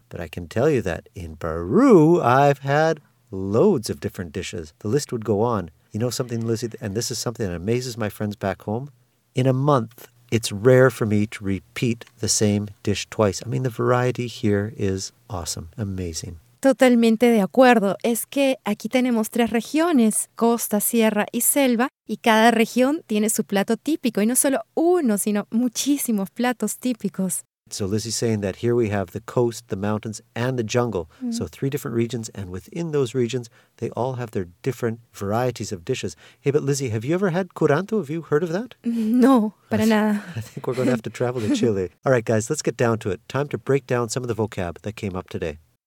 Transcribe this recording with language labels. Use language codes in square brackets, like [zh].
[en] But I can tell you that in Peru, I've had loads of different dishes. The list would go on. You know something, Lizzie, and this is something that amazes my friends back home? In a month, it's rare for me to repeat the same dish twice. I mean, the variety here is awesome, amazing. [es] Totalmente de acuerdo. Es que aquí tenemos tres regiones, costa, sierra y selva, y cada región tiene su plato típico, y no solo uno, sino muchísimos platos típicos. [en] So Lizzie's saying that here we have the coast, the mountains, and the jungle. So three different regions, and within those regions, they all have their different varieties of dishes. Hey, but Lizzie, have you ever had curanto? Have you heard of that? [es] No, para nada. [en] I think we're going to have to travel to Chile. All right, guys, let's get down to it. Time to break down some of the vocab that came up today.